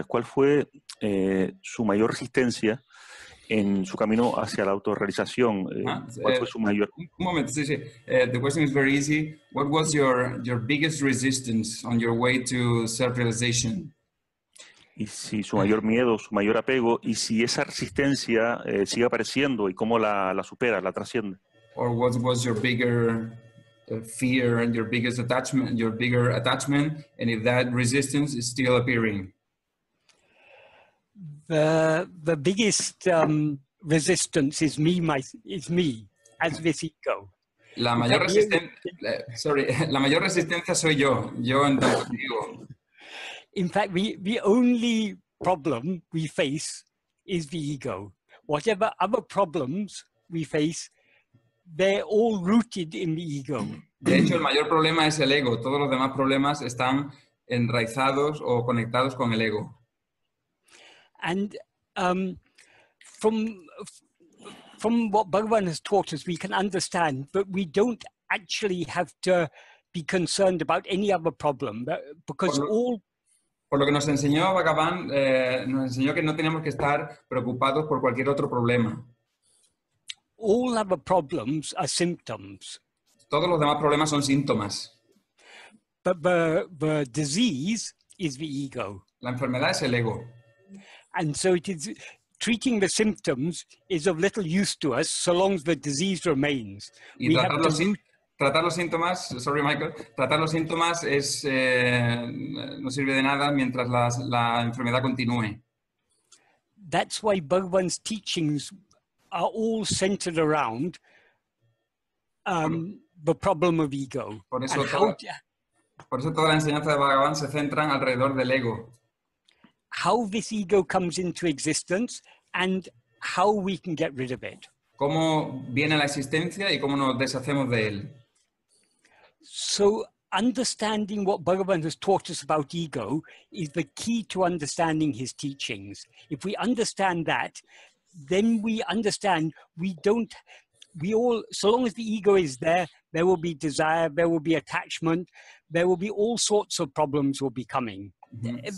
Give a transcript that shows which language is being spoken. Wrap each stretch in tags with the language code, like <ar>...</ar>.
<es>¿Cuál fue su mayor resistencia en su camino hacia la autorrealización? ¿Cuál fue su mayor? Un momento. Sí, sí.</es> <en>The question is very easy. What was your biggest resistance on your way to self-realization?</en> <es>Y si su mayor miedo, su mayor apego, y si esa resistencia sigue apareciendo y cómo la supera, la trasciende.</es> <en>Or what was your bigger fear and your bigger attachment, and if that resistance is still appearing? The biggest resistance is me as this ego.</en> <es>La mayor resistencia soy yo en tanto ego.</es> <en>In fact, the only problem we face is the ego. Whatever other problems we face, they're all rooted in the ego.</en> <es>De hecho, el mayor problema es el ego. Todos los demás problemas están enraizados o conectados con el ego.</es> <en>And from what Bhagavan has taught us, we can understand that we don't actually have to be concerned about any other problem, because</en> <es>Por lo que nos enseñó Bhagavan, nos enseñó que no teníamos que estar preocupados por cualquier otro problema.</es> <en>All other problems are symptoms.</en> <es>Todos los demás problemas son síntomas.</es> <en>But the disease is the ego.</en> <es>La enfermedad es el ego.</es> <en>And so it is, treating the symptoms is of little use to us so long as the disease remains.</en> <es>Y tratar los síntomas es no sirve de nada mientras la enfermedad continúe.</es> <en>That's why Bhagavan's teachings are all centered around the problem of ego.</en> <es>Por eso toda la enseñanza de Bhagavan se centra alrededor del ego.</es> <en>How this ego comes into existence and how we can get rid of it.</en> <es>Cómo viene la existencia y cómo nos deshacemos de él.</es> <en>So understanding what Bhagavan has taught us about ego is the key to understanding his teachings. If we understand that, then we understand so long as the ego is there, there will be desire, there will be attachment, there will be all sorts of problems will be coming. Yes.</en>